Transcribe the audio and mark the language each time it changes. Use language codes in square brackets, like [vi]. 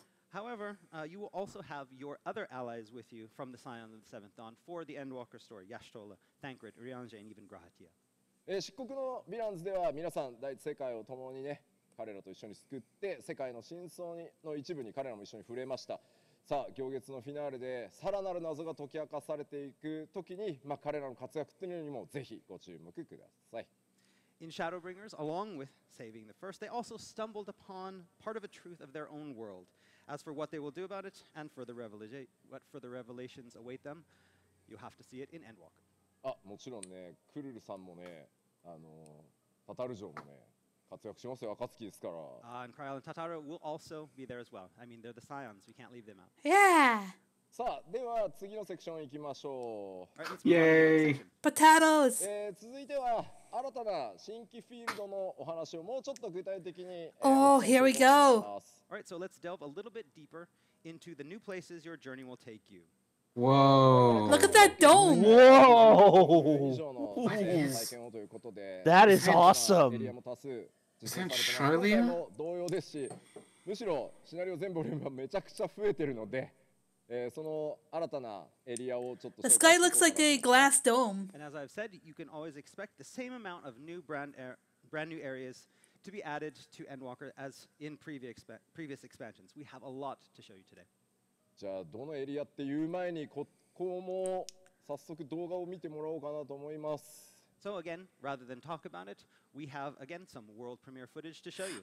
[en] However, you will also have your other allies with you from the Scion of the Seventh Dawn for the Endwalker story, Yashtola, Thancred, Rianje, and even Grahatia. [ja] 漆黒のヴィランズでは皆さん第一世界を共にね、彼らと一緒に救って世界の真相の一部に彼らも一緒に触れました。さあ、行月のフィナーレでさらなる謎が解き明かされていくときに、まあ、彼らの活躍というのにもぜひご注目ください。 [en] In Shadowbringers, along with saving the first, they also stumbled upon part of a truth of their own world. As for what they will do about it, and for the what for the revelations await them, you have to see it in Endwalker. [ja] あ、もちろんね、クルルさんもね、タタル城もね、活躍しますよ、暁ですから。 [en] And Kryal and Tataru will also be there as well. I mean, they're the Scions, we can't leave them out. Yeah! [ja] さあ、では次のセクション行きましょう。イエーイ [en] Potatoes! [ja] 続いては、新たな新規フィールドのお話をもうちょっと具体的に。 [en] here we go! Alright, so let's delve a little bit deeper into the new places your journey will take you. Whoa! Look at that dome! Whoa! That is awesome! Is that Charlia? [ja] 同様ですし、むしろシナリオ全ボリュームはめちゃくちゃ増えてるので、その新たなエリアをちょっと。 [en] The sky looks like a glass dome. And as I've said, you can always expect the same amount of new brand new areas. To be added to Endwalker as in previous expansions. We have a lot to show you today. [ja] じゃあどのエリアっていう前にここも早速動画を見てもらおうかなと思います。 [en] So again, rather than talk about it, we have again some world premiere footage to show you.